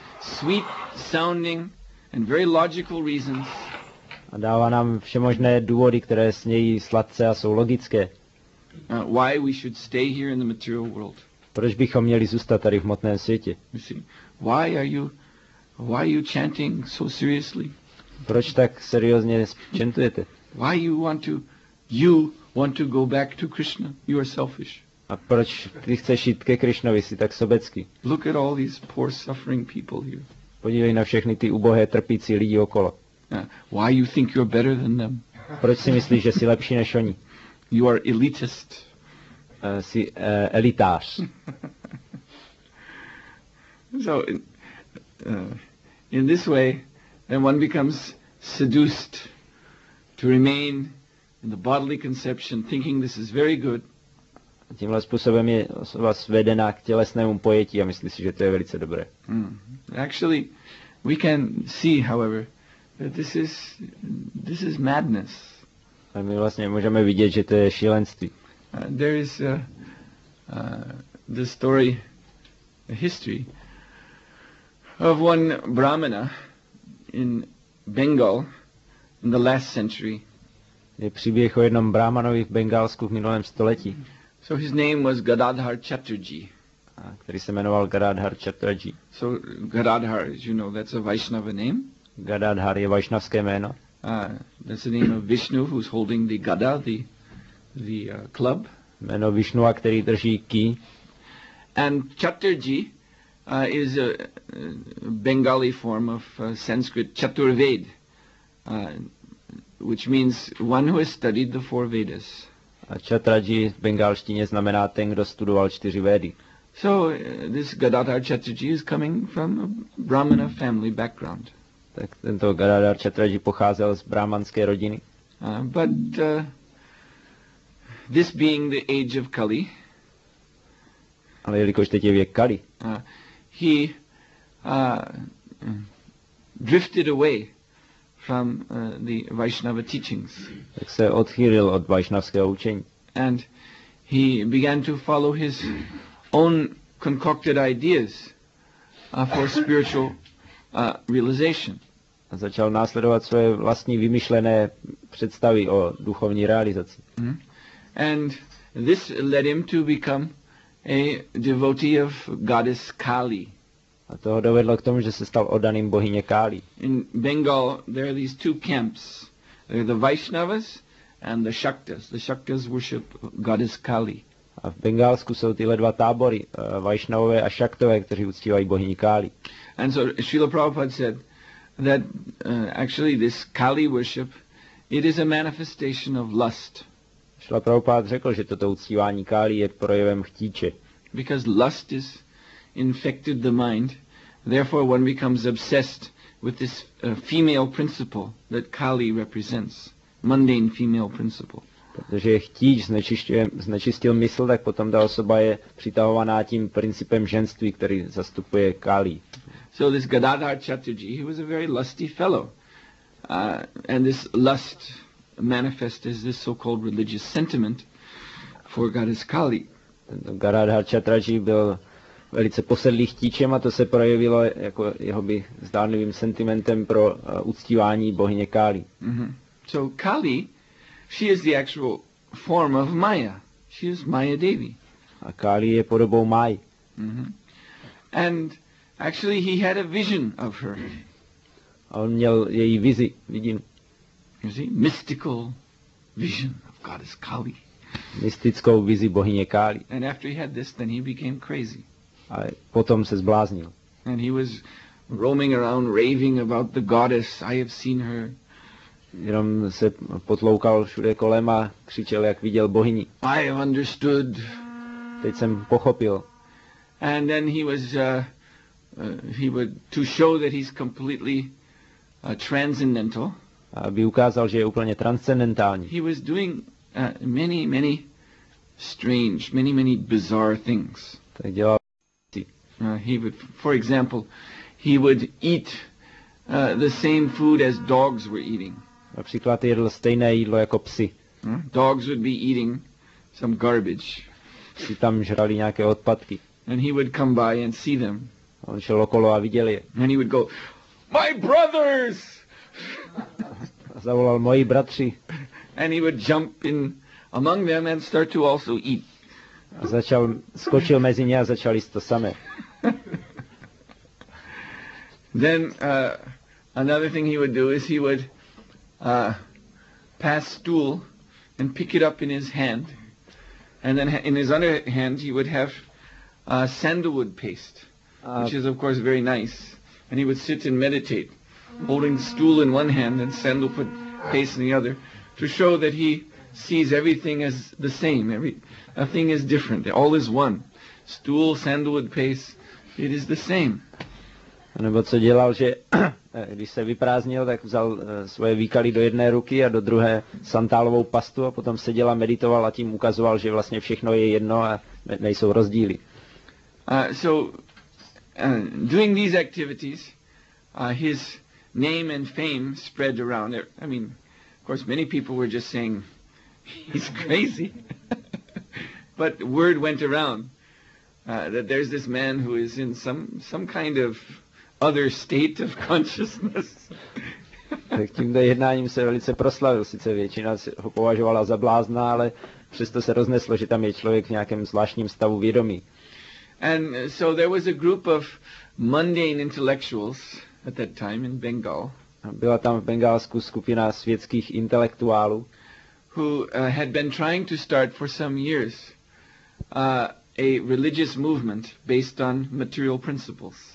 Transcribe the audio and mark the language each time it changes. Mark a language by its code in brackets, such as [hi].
[en] sweet sounding and very logical reasons. [cs] A dává nám všemožné důvody, které znějí sladce a jsou logické. [en] Why we should stay here in the material world? [cs] Proč bychom měli zůstat tady v hmotném světě? [en] Why are you chanting so seriously? [cs] Proč tak seriózně chantujete? [en] Why you want to go back to Krishna? You are selfish. [cs] A proč ty chceš jít ke Krishnovi, jsi tak sobecký? [en] Look at all these poor suffering people here. [cs] Podívej na všechny ty ubohé trpící lidi okolo. [en] Why you think you're better than them? [cs] Proč si myslíš, že jsi lepší než oni? [en] You are elitist. [cs] Jsi elitář. [en] So in this way then one becomes seduced to remain in the bodily conception thinking this is very good. [cs] Tímhle způsobem je osoba svedená k tělesnému pojetí a myslí si, že to je velice dobré. [en] Actually we can see however that this is madness. [cs] A my vlastně můžeme vidět, že to je šílenství. [en] There is the story, a history of one Brahmana in Bengal in the last century. [cs] Je příběh o jednom Brahmanovi v Bengálsku v minulém století. [en] So his name was Gadadhar Chatterjee. [cs] A který se jmenoval Gadadhar Chatterjee. [en] So Gadadhar, as you know, that's a Vaishnava name. [cs] Gadadhar je vaishnavské jméno. [en] That's the name of Vishnu who's holding the gada, the club. [cs] Jméno Vishnu, který drží ký. [en] And Chatterjee is a Bengali form of Sanskrit Chaturved, which means one who has studied the four Vedas. [cs] A Chatraji v bengalštině znamená ten, kdo studoval čtyři Vedy. [en] So this Gadadhar Chatterjee is coming from a Brahmana family background. [cs] Tak tento Gadadhar Chatterjee pocházel z brahmanské rodiny. [en] This being the age of Kali. [cs] Ale jelikož teď je věk Kali. [en] He drifted away from the Vaishnava teachings. [cs] Tak se odchýlil od vaishnavského učení. [en] And he began to follow his own concocted ideas for spiritual realization. [cs] A začal následovat svoje vlastní vymyšlené představy o duchovní realizaci. [en] And this led him to become a devotee of goddess Kali. [cs] A to ho dovedlo k tomu, že se stal oddaným bohyně Kali. [en] In Bengal there are these two camps. There are the Vaishnavas and the Shaktas. The Shaktas worship goddess Kali. [cs] A v Bengálsku jsou tyhle dva tábory, Vaishnavové a Shaktové, kteří uctívají bohyni Kali. [en] And so Srila Prabhupada said that actually this Kali worship, it is a manifestation of lust. [cs] Srila Prabhupada řekl, že toto uctívání Kali je projevem chtíče. [en] Because lust is infected the mind, therefore one becomes obsessed with this female principle that Kali represents, mundane female principle. [cs] Protože chtíč znečistil mysl, tak potom ta osoba je přitahovaná tím principem ženství, který zastupuje Kali. [en] So this Gadadhar Chatterjee, he was a very lusty fellow. And this lust manifest as this so-called religious sentiment for goddess Kali. [cs] Tento Gadadhar Chatterjee byl velice posedlý chtíčem a to se projevilo jako jeho by zdánlivým sentimentem pro uctívání bohyně Kali. [en] So Kali, she is the actual form of Maya. She is Maya Devi. [cs] A Kali je podobou Mai. [en] And actually he had a vision of her. [cs] A on měl její vizi, vidím. [en] You see, mystical vision of goddess Kali. [cs] Mystickou vizi bohyně Kali. [en] And after he had this, then he became crazy. [cs] A potom se zbláznil. [en] And he was roaming around raving about the goddess, I have seen her. [cs] Jenom se potloukal všude kolem a křičel, jak viděl bohyni. [en] I have understood. [cs] Teď jsem pochopil. [en] And then he was, he would, to show that he's completely transcendental. [cs] Aby ukázal, že je úplně transcendentální. [en] He was doing many, many strange, many, many bizarre things. [cs] Tak dělal. [en] He would, for example, he would eat the same food as dogs were eating. [cs] Například jedl stejné jídlo jako psi. [en] Dogs would be eating some garbage. [cs] Psi tam žrali nějaké odpadky. [en] And he would come by and see them. [cs] On šel okolo a viděl je. [en] And he would go, my brothers! [cs] A zavolal, moji bratři. [en] And he would jump in among them and start to also eat. [cs] A začal, skočil mezi ně a začal jíst to samé. [en] Then another thing he would do is he would pass stool and pick it up in his hand. And then in his other hand he would have sandalwood paste, which is of course very nice. And he would sit and meditate, holding the stool in one hand and sandalwood paste in the other, to show that he sees everything as the same. Nothing is different. All is one. Stool, sandalwood paste, it is the same. [cs] Nebo co dělal, že když se vyprázdnil, tak vzal svoje výkaly do jedné ruky a do druhé santálovou pastu a potom seděl a meditoval a tím ukazoval, že vlastně všechno je jedno a nejsou rozdíly. [en] Doing these activities, his name and fame spread around. I mean, of course, many people were just saying, he's crazy. But word went around that there's this man who is in some kind of other state of consciousness. [cs] Tak tímto jednáním se velice proslavil, sice většina se ho považovala za blázna, ale přesto se rozneslo, že tam je člověk v nějakém zvláštním stavu vědomí. [en] And so there was a group of mundane intellectuals at that time in Bengal. [cs] Byla tam v Bengálsku skupina světských intelektuálů, [en] who had been trying to start for some years a religious movement based on material principles.